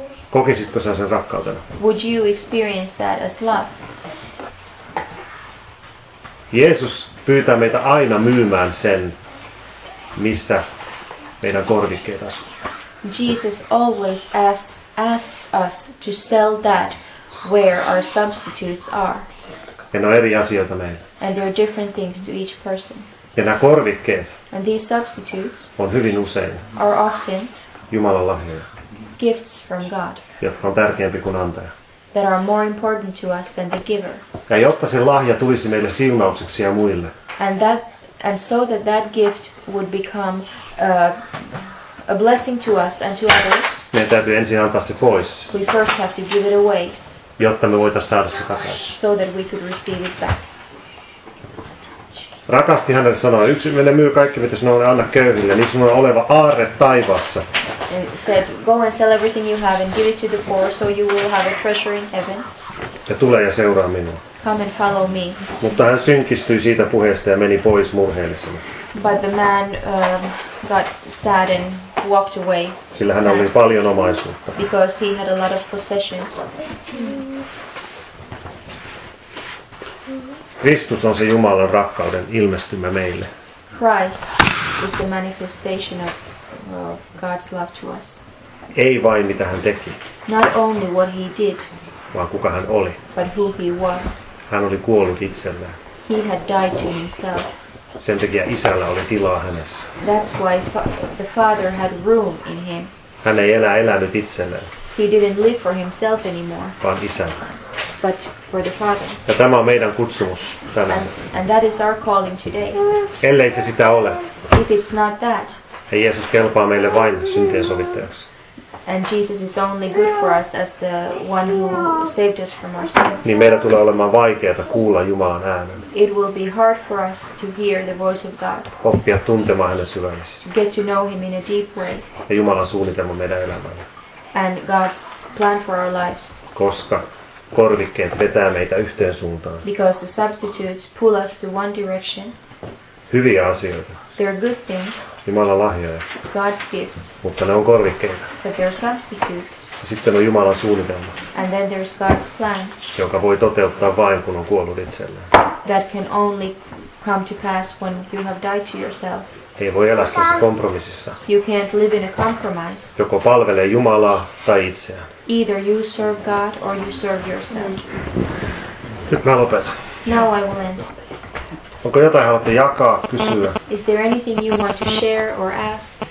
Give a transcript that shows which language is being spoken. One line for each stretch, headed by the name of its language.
Finnish: Kokisitko sinä sen rakkautena?
English: Would you experience that as love?
Finnish: Jeesus pyytää meitä aina myymään sen, missä meidän korvikkeet asuvat.
English: Jesus always asks us to sell that where our substitutes are.
Finnish: Ne on eri asioita meille.
English: And there are different things to each person.
Finnish: Ja nämä korvikkeet
English: and these substitutes
Finnish: on hyvin usein
English: are often
Finnish: Jumalan lahjoja,
English: gifts from God,
Finnish: jotka on tärkeämpi kuin antaja.
English: That are more important to us than the giver.
Finnish: Ja jotta se lahja tulisi meille siunaukseksi ja muille.
English: And so that that gift would become a blessing to us and to others.
Finnish: Meidän täytyy ensin antaa se pois.
English: We first have to give it away.
Finnish: Jotta me voitaisiin saada se takaisin.
English: So that we could receive it back.
Finnish: Rakasti hänet sanoa, yksi meille myy kaikki, mitä sinulle anna köyhille, niin sinulle oleva aarre taivassa.
English: Said, go and sell everything you have and give it to the poor, so you will have a treasure in heaven.
Finnish: Ja tule ja seuraa minua.
English: Come and follow me.
Finnish: Mutta hän synkistyi siitä puheesta ja meni pois murheellisena.
English: But the man got sad and walked away.
Finnish: Sillä hän oli paljon omaisuutta.
English: Because he had a lot of possessions.
Finnish: Kristus on se Jumalan rakkauden ilmestymä meille.
English: Christ is the manifestation of God's love to us.
Finnish: Ei vain mitä hän teki.
English: Not only what he did.
Finnish: Vaan kuka hän oli.
English: But who he was.
Finnish: Hän oli kuollut itsellään.
English: He had died to himself.
Finnish: Sen takia isällä oli tilaa hänessä.
English: That's why the father had room in him.
Finnish: Hän ei enää elänyt itsellään.
English: He didn't live for himself anymore.
Finnish: Vaan isän.
English: But for the father.
Finnish: Ja tämä on meidän kutsumus tänään.
English: And that is our calling today.
Finnish: Ellei se sitä ole.
English: If it's not that.
Finnish: Ja Jeesus kelpaa meille vain syntien sovittajaksi.
English: And Jesus is only good for us as the one who saved us from our sins.
Finnish: Niin meidän tulee olemaan vaikeaa kuulla Jumalan äänen.
English: It will be hard for us to hear the voice of God.
Finnish: Oppia tuntemaan hänen syvällisesti.
English: Get to know him in a deep way.
Finnish: Ja Jumalan suunnitelma meidän elämälle.
English: And God's plan for our lives.
Finnish: Koska korvikkeet vetää meitä yhteen suuntaan.
English: Because the substitutes pull us to one direction.
Finnish: Hyviä asioita.
English: They're good things.
Finnish: Jumalan lahjoja.
English: God's gifts.
Finnish: Mutta ne on korvikkeita.
English: But they're substitutes.
Finnish: Ja sitten on Jumalan suunnitelma.
English: And then there's God's plan.
Finnish: Joka voi toteuttaa vain kun on kuollut itselleen.
English: That can only come to pass when you have died to yourself.
Finnish: Ei voi elää sellaisessa kompromississa.
English: You can't live in a compromise.
Finnish: Joko palvelee Jumalaa tai itseään.
English: Either you serve God or you serve yourself.
Finnish: Nyt mä lopetan.
English: Now I will end.
Finnish: Onko jotain haluatte jakaa, kysyä?
English: Is there anything you want to share or ask?